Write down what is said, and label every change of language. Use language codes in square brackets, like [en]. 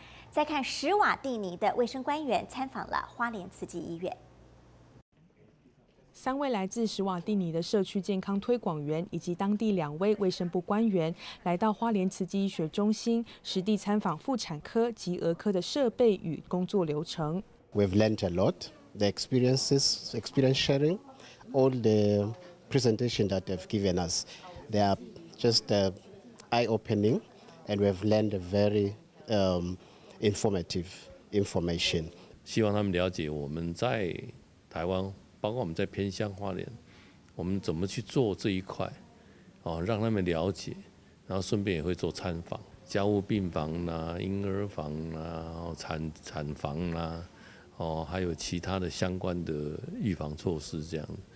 [zh] 再看史瓦蒂尼的卫生官员参访了花莲慈济医院。三位来自史瓦蒂尼的社区健康推广员以及当地两位卫生部官员来到花莲慈济医学中心，实地参访妇产科及儿科的设备与工作流程。 [en] We've learned a lot, the experiences, experience sharing, all the presentation that they've given us, they are just eye-opening, and we've learned a very informative information. [zh] 希望他们了解我们在台湾。包括我们在偏乡花莲，我们怎么去做这一块，让他们了解，然后顺便也会做参访，家务病房啦、婴儿房啦、产房啦，还有其他的相关的预防措施这样。